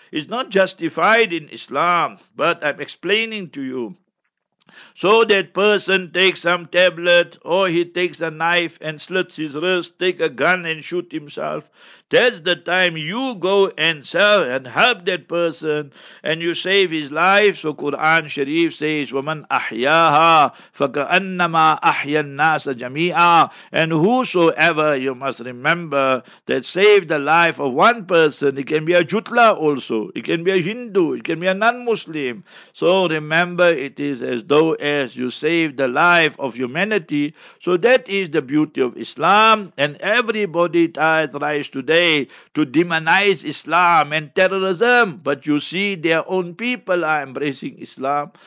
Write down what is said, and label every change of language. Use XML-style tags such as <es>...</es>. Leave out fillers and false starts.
<en>It's not justified in Islam, but I'm explaining to you. So that person takes some tablet, or he takes a knife and slits his wrist, take a gun and shoot himself. That's the time you go and sell and help that person and you save his life. So Quran Sharif says,</en> <ar>وَمَنْ أَحْيَاهَا فَكَأَنَّمَا أَحْيَا النَّاسَ جَمِيعًا.</ar> <en>And whosoever, you must remember, that saved the life of one person, it can be a Jutla also, it can be a Hindu, it can be a non-Muslim. So remember, it is as though as you saved the life of humanity. So that is the beauty of Islam, and everybody tries to today to demonize Islam and terrorism, but you see their own people are embracing Islam.</en>